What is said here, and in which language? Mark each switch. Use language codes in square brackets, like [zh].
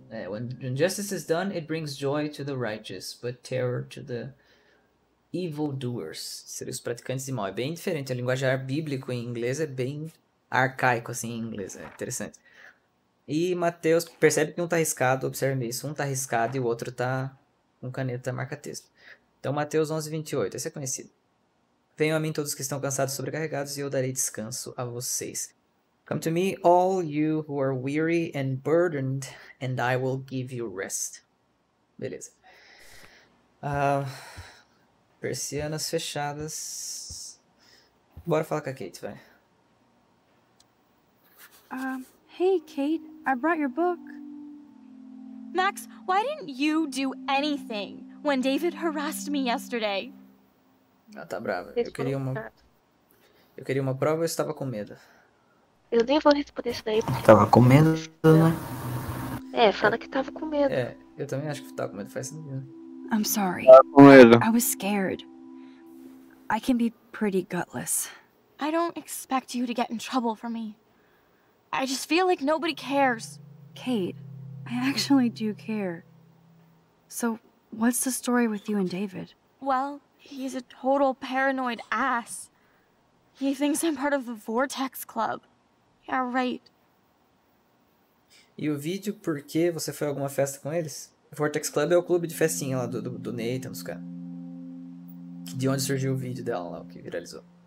[en] É, when justice is done, it brings joy to the righteous, but terror to the evildoers. [pt] Seria os praticantes de mal. É bem diferente. O linguajar bíblico em inglês é bem arcaico assim em inglês. É interessante. E Mateus, percebe que um tá arriscado, observe isso. Um tá arriscado e o outro tá com caneta marca-texto. Então, Mateus 11:28, esse é conhecido. Venham a mim todos que estão cansados e sobrecarregados e eu darei descanso a vocês. [en] Come to me, all you who are weary and burdened, and I will give you rest. [pt] Beleza. Persianas fechadas. Bora falar com a Kate, vai. [en] Hey, Kate, I brought your book. Max, why didn't you do anything when David harassed me yesterday? [pt] Ela tá brava. Eu queria uma prova ou eu estava com medo? Eu nem vou responder isso daí. Porque... Tava com medo, né? É, fala que tava com medo. É, eu também acho que tava com medo, faz sentido. [en] I'm sorry. [pt] Tava com medo. [en] I was scared. I can be pretty gutless. I don't expect you to get in trouble for me. I just feel like nobody cares. Kate, I actually do care. So, what's the story with you and David? Well, he's a total paranoid ass. He thinks I'm part of the Vortex Club. Yeah, right. [pt] E o vídeo, por que você foi a alguma festa com eles? Vortex Club é o clube de festinha lá do Nathan, dos caras. De onde surgiu o vídeo dela lá, o que viralizou.